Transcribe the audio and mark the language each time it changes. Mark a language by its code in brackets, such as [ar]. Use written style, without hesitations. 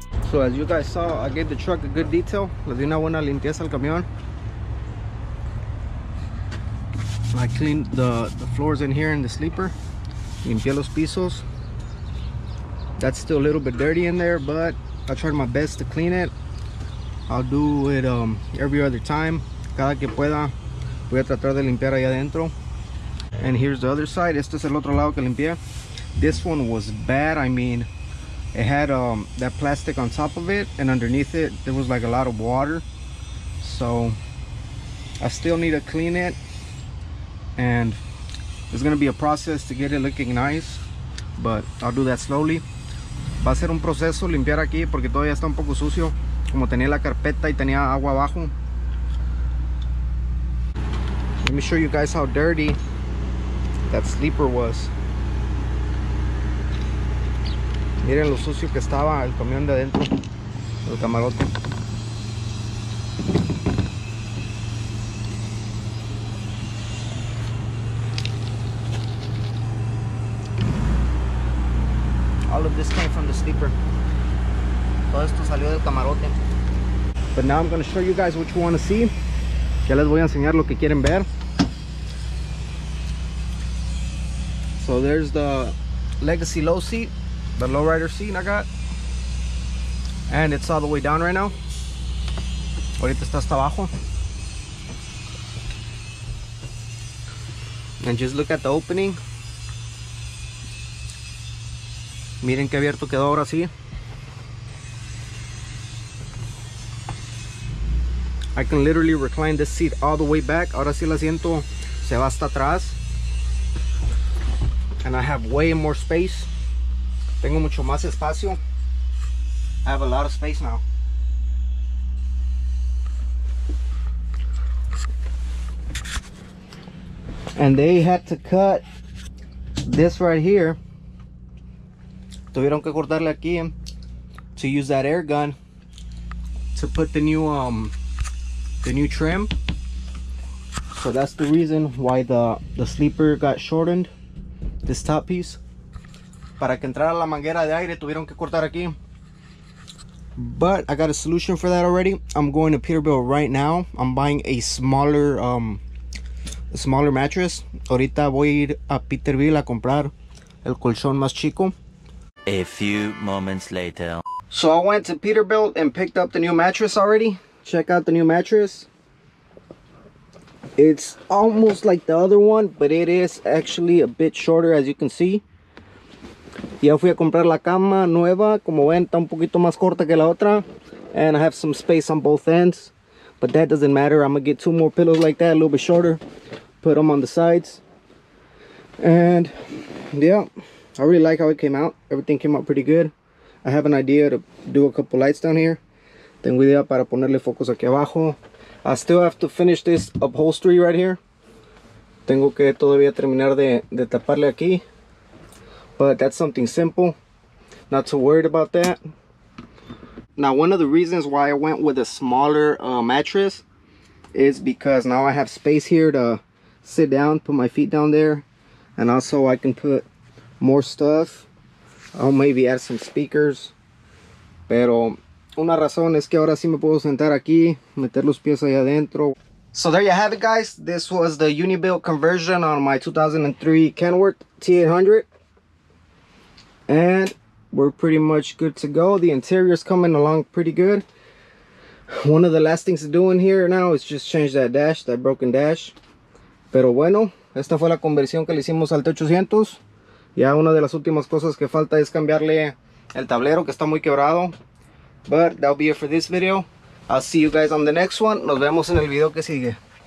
[en] So as you guys saw, I gave the truck a good detail. [es] Le di una buena limpieza al camión. [en] I cleaned the floors in here in the sleeper. [es] Limpié los pisos. [en] That's still a little bit dirty in there, but I tried my best to clean it. I'll do it every other time. [es] Cada que pueda, voy a tratar de limpiar allá adentro. [en] And here's the other side. [es] Este es el otro lado que limpié. [en] This one was bad, I mean. It had that plastic on top of it, and underneath it, there was like a lot of water. So I still need to clean it, and it's gonna be a process to get it looking nice, but I'll do that slowly. [es] Va a ser un proceso limpiar aquí porque todavía está un poco sucio, como tenía la carpeta y tenía agua abajo. [en] Let me show you guys how dirty that sleeper was. [es] Miren lo sucio que estaba el camión de adentro, el camarote. [en] All of this came from the sleeper. [es] Todo esto salió del camarote. [en] But now I'm going to show you guys what you want to see. [es] Ya les voy a enseñar lo que quieren ver. [en] So there's the legacy low seat. The lowrider seat I got, and it's all the way down right now. [es] Ahorita está hasta abajo. [en] And just look at the opening. [es] Miren qué abierto quedó ahora sí. [en] I can literally recline this seat all the way back. [es] Ahora sí el asiento se va hasta atrás. [en] And I have way more space. [es] Tengo mucho más espacio. [en] I have a lot of space now. And they had to cut this right here. [es] Tuvieron que cortarle aquí [en] to use that air gun to put the new trim. So that's the reason why the sleeper got shortened, this top piece. [es] Para que entrara la manguera de aire tuvieron que cortar aquí. [en] But I got a solution for that already. I'm going to Peterbilt right now. I'm buying a smaller mattress. [es] Ahorita voy a ir a Peterbilt a comprar el colchón más chico. [en] A few moments later. So I went to Peterbilt and picked up the new mattress already. Check out the new mattress. It's almost like the other one, but it is actually a bit shorter, as you can see. [es] Ya fui a comprar la cama nueva, como ven, está un poquito más corta que la otra. [en] And I have some space on both ends. But that doesn't matter, I'm gonna get 2 more pillows like that, a little bit shorter. Put them on the sides. And yeah, I really like how it came out. Everything came out pretty good. I have an idea to do a couple lights down here. [es] Tengo idea para ponerle focos aquí abajo. [en] I still have to finish this upholstery right here. [es] Tengo que todavía terminar de taparle aquí. [en] But that's something simple, not too worried about that. Now, one of the reasons why I went with a smaller mattress is because now I have space here to sit down, put my feet down there, and also I can put more stuff. I'll maybe add some speakers. [es] Pero una razón es que ahora sí me puedo sentar aquí, meter los pies allá adentro. [en] So there you have it, guys. This was the unibilt conversion on my 2003 Kenworth T800. And we're pretty much good to go. The interior's coming along pretty good. One of the last things to do in here now is just change that dash, that broken dash. [es] Pero bueno, esta fue la conversión que le hicimos al T800. Ya una de las últimas cosas que falta es cambiarle el tablero, que está muy quebrado. [en] But that'll be it for this video. I'll see you guys on the next one. [es] Nos vemos en el video que sigue.